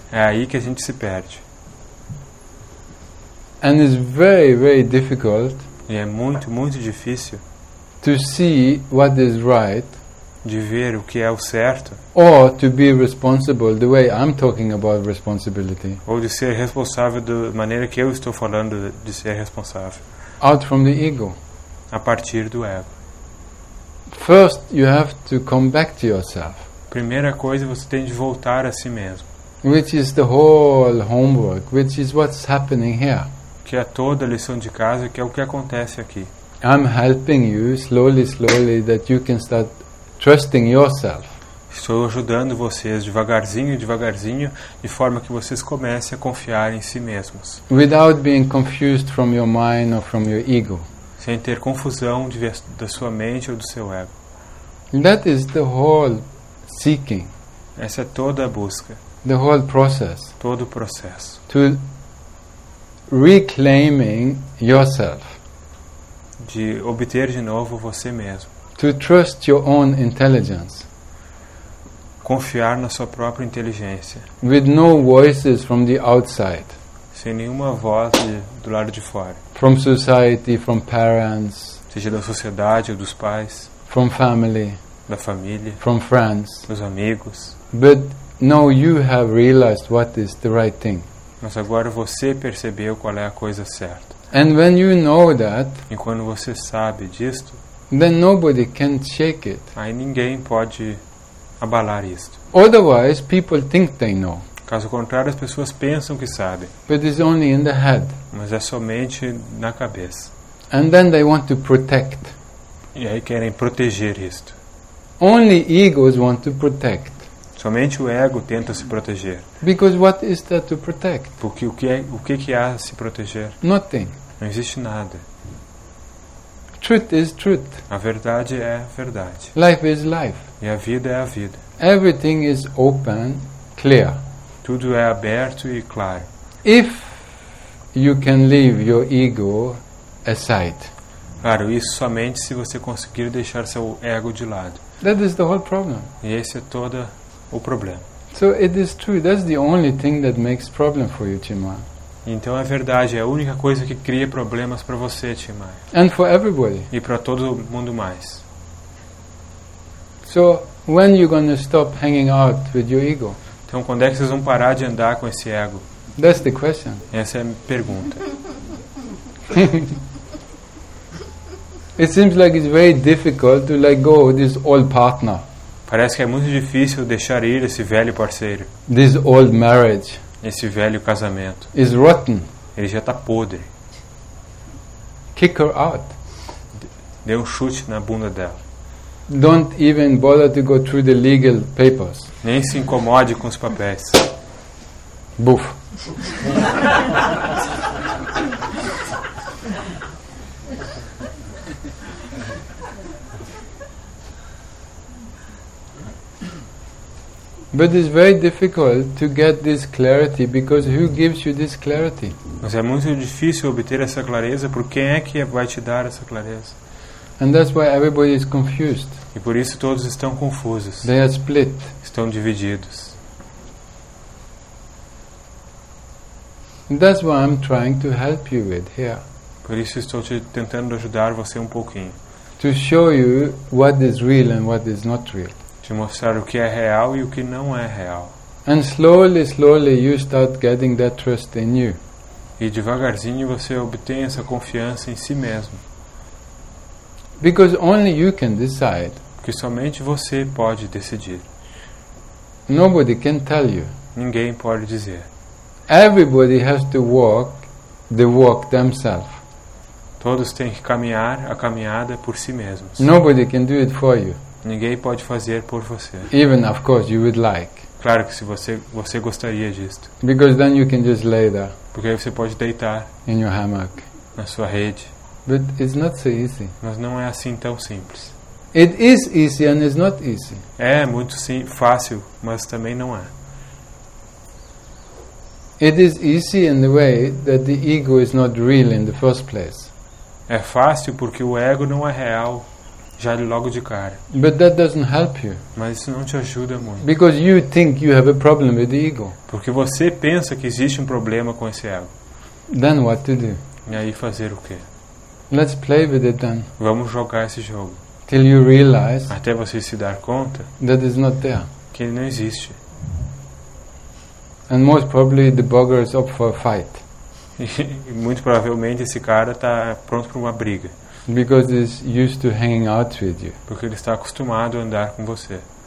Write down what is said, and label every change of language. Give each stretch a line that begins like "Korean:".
Portuguese: É aí que a gente se perde.
English: And it's very, very difficult.
Portuguese: E é muito, muito difícil.
English: To see what is right.
Portuguese: De ver o que é o certo.
English: Or to be responsible the way I'm talking about responsibility.
Portuguese: Ou de ser responsável da maneira que eu estou falando de ser responsável.
English: Out from the ego.
Portuguese: A partir do ego.
English: First you have to come back to yourself.
Portuguese: Primeira coisa, você tem de voltar a si mesmo.
English: Which is the whole homework, which is what's happening here.
Portuguese: Que é toda a lição de casa, que é o que acontece aqui.
English: I'm helping you slowly, slowly, that you can start trusting yourself.
Portuguese: Estou ajudando vocês devagarzinho, devagarzinho, de forma que vocês comecem a confiar em si mesmos.
English: Without being confused from your mind or from your ego.
Portuguese: Sem ter confusão da sua mente ou do seu ego.
English: That is the whole seeking.
Portuguese: Essa é toda a busca.
English: The whole process.
Portuguese: Todo o processo.
English: To reclaiming yourself.
Portuguese: De obter de novo você mesmo.
English: To trust your own intelligence.
Portuguese: Confiar na sua própria inteligência.
English: With no voices from the outside.
Portuguese: Sem nenhuma voz do lado de fora.
English: From society, from parents.
Portuguese: Seja da sociedade ou dos pais.
English: From family.
Portuguese: Da família.
English: From friends.
Portuguese: Dos amigos.
English: But now you have realized what is the right thing.
Portuguese: Mas agora você percebeu qual é a coisa certa.
English: And when you know that,
Portuguese: e quando você sabe disto,
English: then nobody can shake it.
Portuguese: Aí ninguém pode abalar isto.
English: Otherwise, people think they know.
Portuguese: Caso contrário, as pessoas pensam que sabem.
English: But it's only in the head.
Portuguese: Mas é somente na cabeça.
English: And then they want to protect.
Portuguese: E aí querem proteger isto.
English: Only egos want to protect.
Portuguese: Somente o ego tenta se proteger.
English: Because what is there to protect?
Portuguese: Porque o que há a se proteger?
English: Nothing.
Portuguese: Não existe nada.
English: Truth is truth.
Portuguese: A verdade é a verdade.
English: Life is life.
Portuguese: E a vida é a vida.
English: Everything is open, clear.
Portuguese: Tudo é aberto e claro.
English: If you can leave your ego aside.
Portuguese: Claro, isso somente se você conseguir deixar seu ego de lado.
English: That is the whole problem.
Portuguese: E esse é todo o problema.
English: So it is true. That's the only thing that makes problem for you, Timar.
Portuguese: Então é verdade. É a única coisa que cria problemas para você, Timar.
English: And for everybody.
Portuguese: E para todo mundo mais.
English: So when you gonna stop hanging out with your ego?
Portuguese: Então quando é que vocês vão parar de andar com esse ego?
English: That's the question.
Portuguese: Essa é a pergunta.
English: It seems like it's very difficult to let go of this old partner.
Portuguese: Parece que é muito difícil deixar ir esse velho parceiro.
English: This old marriage.
Portuguese: Esse velho casamento.
English: Is rotten.
Portuguese: Ele já está podre.
English: Kick her out.
Portuguese: Dê um chute na bunda dela.
English: Don't even bother to go through the legal papers.
Portuguese: Nem se incomode com os papéis. Buf.
English: But it's very difficult to get this clarity because who gives you this clarity?
Portuguese: Mas é muito difícil obter essa clareza, por quem é que vai te dar essa clareza?
English: And that's why everybody is confused.
Portuguese: E por isso todos estão confusos.
English: They are split.
Portuguese: Estão divididos.
English: And that's what I'm trying to help you with here.
Portuguese: Por isso estou tentando ajudar você um pouquinho.
English: To show you what is real and what is not real.
Portuguese: De mostrar o que é real e o que não é real.
English: And slowly, slowly you start getting that trust in you.
Portuguese: E devagarzinho você obtém essa confiança em si mesmo.
English: Because only you can decide.
Portuguese: Porque somente você pode decidir.
English: Nobody can tell you.
Portuguese: Ninguém pode dizer.
English: Everybody has to walk the walk themselves.
Portuguese: Todos têm que caminhar a caminhada por si mesmos.
English: Nobody can do it for you.
Portuguese: Ninguém pode fazer por você.
English: Even of course you would like.
Portuguese: Claro que se você gostaria disto.
English: Because then you can just lay there.
Portuguese: Porque aí você pode deitar.
English: In your hammock.
Portuguese: Na sua rede.
English: But it's not so easy.
Portuguese: Mas não é assim tão simples.
English: It is easy and it's not easy.
Portuguese: É muito fácil, mas também não é.
English: It is easy in the way that the ego is not real in the first place.
Portuguese: É fácil porque o ego não é real. Já logo de cara.
English: But that doesn't help you.
Portuguese: Mas isso não te ajuda muito.
English: Because you think you have a problem with the ego.
Portuguese: Porque você pensa que existe um problema com esse ego.
English: Then what to do?
Portuguese: E aí fazer o quê?
English: Let's play with it then.
Portuguese: Vamos jogar esse jogo.
English: Till you realize.
Portuguese: Até você se dar conta.
English: That is not there.
Portuguese: Que ele não existe.
English: And most probably the bugger is up for a fight.
Portuguese: E muito provavelmente esse cara está pronto para uma briga.
English: Because he's used to hanging out with you.
Portuguese: Porque ele está acostumado a andar com você.